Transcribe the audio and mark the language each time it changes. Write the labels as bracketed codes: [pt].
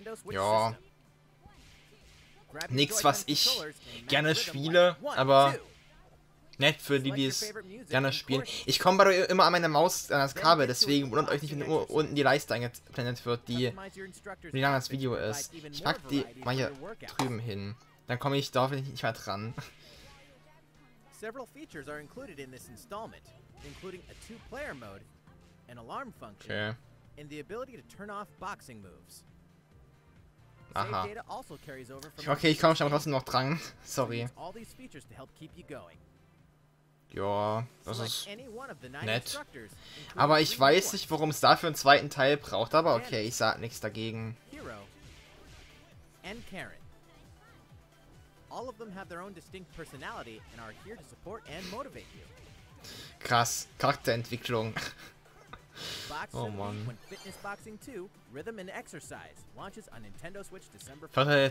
[de] Ja. Nix, was ich gerne spiele, aber nett für die, die es gerne spielen. Ich komme bei immer an meine Maus, an das Kabel, deswegen wundert euch nicht, wenn nur unten die Leiste eingeblendet wird, die wie lang das Video ist. Ich pack die mal hier drüben hin. Dann komme ich da hoffentlich nicht mehr dran. [en] Several features are included in this installment, including a two-player mode, an alarm function, okay, and the ability to turn off boxing moves. Aha. [de] Okay, ich komme schon trotzdem noch dran. Sorry. [en] All these features to help keep you going. [de] Ja, das ist nett. Aber ich weiß nicht, warum es dafür einen zweiten Teil braucht, aber okay, ich sag nichts dagegen. [en] Hero and Karen. All of them have their own distinct personality and are here to support and motivate you. [de] Krass, Charakterentwicklung. Oh man. [en] When Fitness Boxing 2 Rhythm and Exercise launches on Nintendo Switch December 4th.